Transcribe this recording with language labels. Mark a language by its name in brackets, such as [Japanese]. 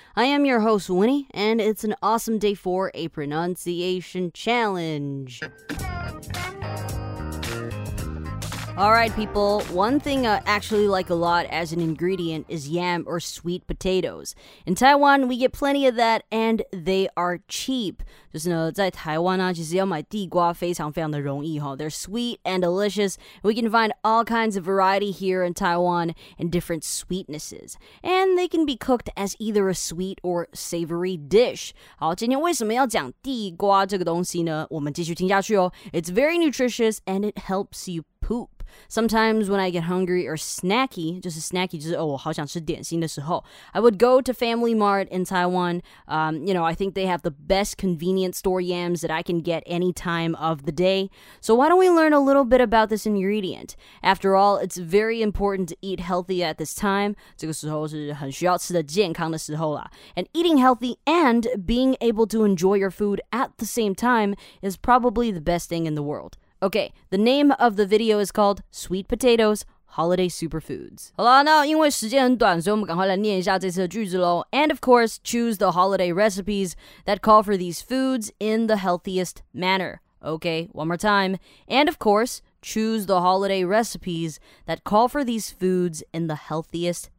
[English] I am your host, Winnie, and it's an awesome day for a pronunciation challenge. Alright people, one thing I actually like a lot as an ingredient is yam or sweet potatoes. In Taiwan, we get plenty of that and they are cheap. [Chinese] 就是呢在台湾啊其实要买地瓜非常非常的容易齁。 [English] They're sweet and delicious. We can find all kinds of variety here in Taiwan and different sweetnesses. And they can be cooked as either a sweet or savory dish. [Chinese] 好今天为什么要讲地瓜这个东西呢我们继续听下去哦。 [English] It's very nutritious and it helps you poop. Sometimes when I get hungry or snacky, 就是 snacky 就是我好想吃点心的时候 I would go to Family Mart in Taiwan. You know, I think they have the best convenience store yams that I can get any time of the day. So why don't we learn a little bit about this ingredient? After all, it's very important to eat healthy at this time. 这个时候是很需要吃的健康的时候啦 And eating healthy and being able to enjoy your food at the same time is probably the best thing in the world. Okay, the name of the video is called Sweet Potatoes, Holiday Superfoods. [Chinese] 好啦，那因为时间很短，所以我们赶快来念一下这次的句子咯。 [English] And of course, choose the holiday recipes that call for these foods in the healthiest manner. Okay, one more time. And of course, choose the holiday recipes that call for these foods in the healthiest manner.